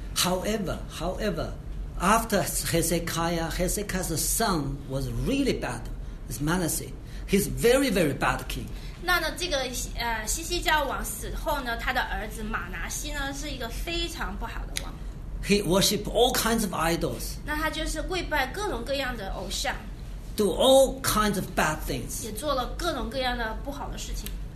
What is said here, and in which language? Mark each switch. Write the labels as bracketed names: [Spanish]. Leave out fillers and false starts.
[English] However, after Hezekiah's son was really bad. Is Manasseh. He's very, very bad king. [Chinese] 那呢，这个西西家王死后呢，他的儿子马拿西呢，是一个非常不好的王。 [English] He worship all kinds of idols. [Chinese] 那他就是跪拜各种各样的偶像。 [English] Do all kinds of bad things. [Chinese] 也做了各种各样的不好的事情。